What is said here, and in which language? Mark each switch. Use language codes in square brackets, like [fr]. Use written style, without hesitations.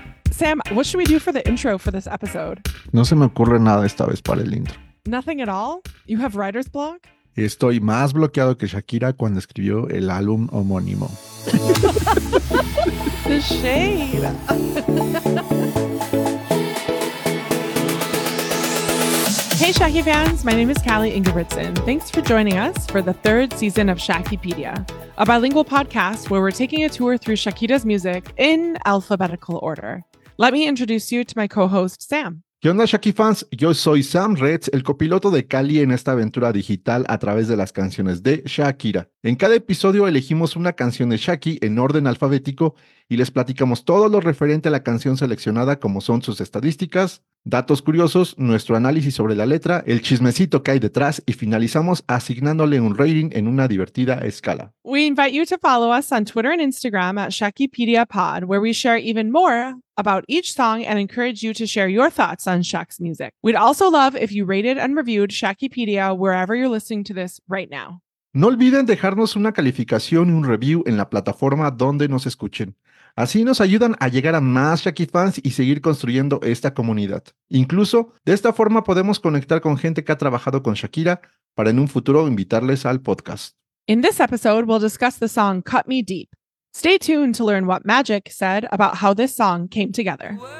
[en] Sam, what should we do for the intro for this episode? [es] No se me ocurre nada esta vez para el intro. [en] Nothing at all? You have writer's block? [es] Estoy más bloqueado que Shakira cuando escribió el álbum homónimo. [en] The shade. Hey Shacky fans, my name is Callie Ingebrigtsen. Thanks for joining us for the third season of Shackypedia, a bilingual podcast where we're taking a tour through Shakira's music in alphabetical order. Let me introduce you to my co-host, Sam. [es] ¿Qué onda, Shacky fans? Yo soy Sam Retz, el copiloto de Callie en esta aventura digital a través de las canciones de Shakira. En cada episodio elegimos una canción de Shacky en orden alfabético y les platicamos todo lo referente a la canción seleccionada, como son sus estadísticas, datos curiosos, nuestro análisis sobre la letra, el chismecito que hay detrás y finalizamos asignándole un rating en una divertida escala. [en] We invite you to follow us on Twitter and Instagram at ShackyPediaPod, where we share even more about each song and encourage you to share your thoughts on Shack's music. We'd also love if you rated and reviewed Shackypedia wherever you're listening to this right now. [es] No olviden dejarnos una calificación y un review en la plataforma donde nos escuchen. Así nos ayudan a llegar a más Shacky fans y seguir construyendo esta comunidad. Incluso, de esta forma podemos conectar con gente que ha trabajado con Shakira para en un futuro invitarles al podcast. [en] In this episode, we'll discuss the song Cut Me Deep. Stay tuned to learn what Magic said about how this song came together.